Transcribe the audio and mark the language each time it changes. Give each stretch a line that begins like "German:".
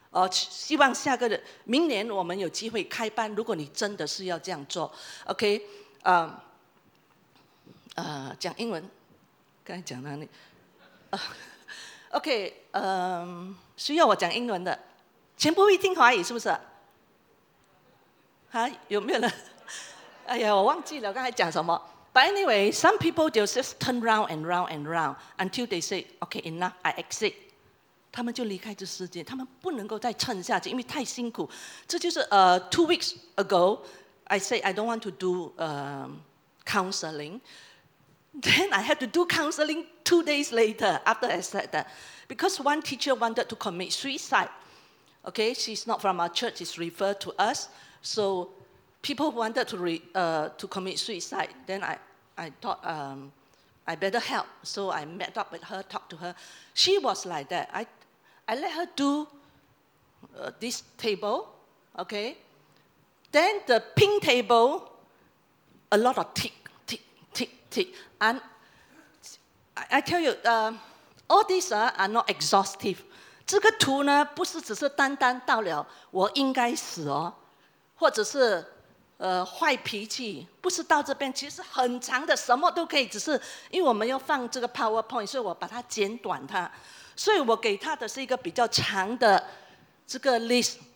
Chinese: 希望下个明年我们有机会开班，如果你真的是要这样做 ，OK， 讲英文，刚才讲哪里？ OK， 需要我讲英文的，全部会听华语是不是？啊，有没有人？哎呀，我忘记了刚才讲什么。
English: But anyway, some people just turn round and round and round until they say, "Okay, enough, I exit."
Chinese: 他们就离开这世界，他们不能够再撑下去，因为太辛苦。这就是
English: two weeks ago, I say I don't want to do counseling. Then I had to do counseling two days later after I said that, because one teacher wanted to commit suicide. Okay, she's not from our church; she's referred to us. So people wanted to commit suicide. Then I thought I better help. So I met up with her, talked to her. She was like that. I let her do this table. Okay, then the pink table, a lot of tick tick tick tick and. I tell you, all these are not exhaustive.
Chinese: 这个图呢，不是只是单单到了我应该死哦，或者是坏脾气，不是到这边，其实很长的，什么都可以。只是因为我们要放这个 PowerPoint， 所以我把它剪短它，所以我给他的是一个比较长的这个 list。